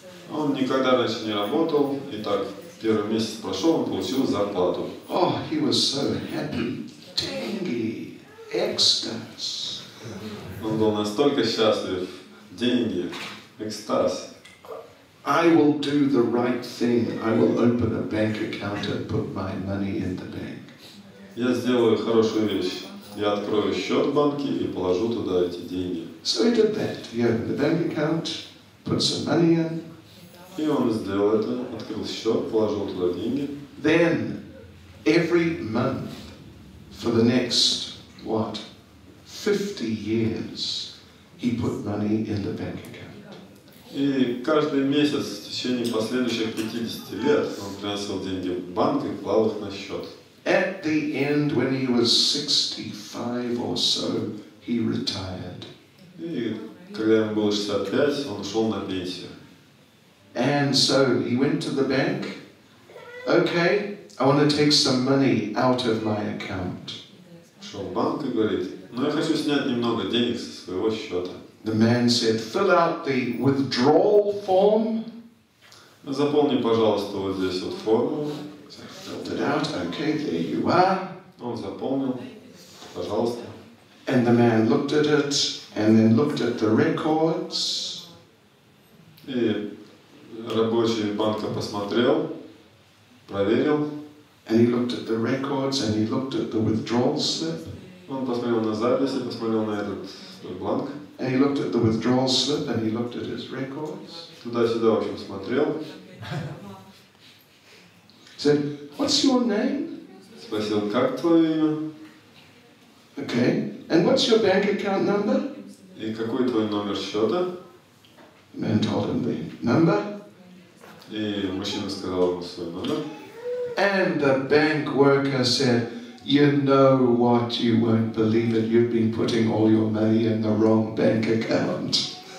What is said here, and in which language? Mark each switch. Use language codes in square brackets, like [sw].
[ru] Он никогда раньше не работал, и так первый месяц прошел, он получил зарплату. [en] Oh, he was so happy, tangy, [ru] экстаз. Он был настолько счастлив, деньги, экстаз. [en] I will do the right thing, I will open a bank account and put my money in the bank. [ru] Я сделаю хорошую вещь. Я открою счет в банке и положу туда эти деньги. [en] So he did that. He opened the bank account, put some money in. [ru] И он сделал это, открыл счет, положил туда деньги. [en] Then every month for the next what 50 years he put money in the bank account. [ru] И каждый месяц в течение последующих 50 лет он приносил деньги в банк и клал их на счет. [en] At the end, when he was 65 or so, he retired. [ru] И когда ему было 65, он ушел на пенсию. [en] And so he went to the bank. Okay, I want to take some money out of my account. The man said, fill out the withdrawal form. [ru] Заполни, пожалуйста, вот здесь вот форму. [en] Filled it out, okay, there you are. [ru] Он заполнил, пожалуйста. [en] And the man looked at it, and then looked at the records. [ru] И рабочий банка посмотрел, проверил. [en] And he looked at the records, and he looked at the withdrawal slip. [ru] Он посмотрел на записи, посмотрел на этот бланк. [en] And he looked at the withdrawal slip, and he looked at his records. [ru] Туда-сюда, в общем, смотрел. [en] Said, what's your name? [ru] Спросил, как твое имя? [en] Okay, and what's your bank account number? [ru] И какой твой номер счета? [en] The man told him the number. [ru] И мужчина сказал ему свой номер. [en] And the bank worker said, you know what, you won't believe it, you've been putting all your money in the wrong bank account.